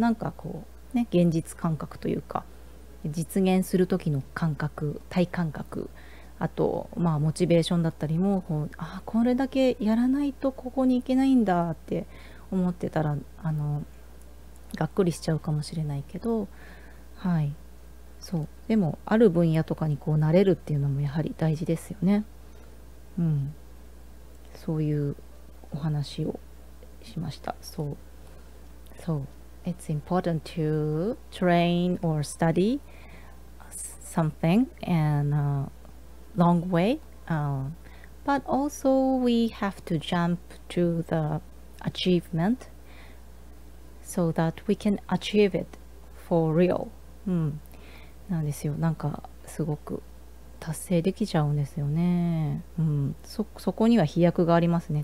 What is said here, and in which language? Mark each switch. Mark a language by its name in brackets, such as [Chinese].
[Japanese] なんかこうね、現実感覚というか、実現する時の感覚、体感覚、あと、まあ、モチベーションだったりも、こう、ああ、これだけやらないとここに行けないんだって思ってたら、がっくりしちゃうかもしれないけど、はい。そう。でも、ある分野とかにこう、慣れるっていうのもやはり大事ですよね。うん。そういうお話をしました。そう。そう。 [English] It's important to train or study something and, long way, but also we have to jump to the achievement so that we can achieve it for real、 [Japanese] うん、なんですよ。なんかすごく達成できちゃうんですよね、うん、そこには飛躍がありますね。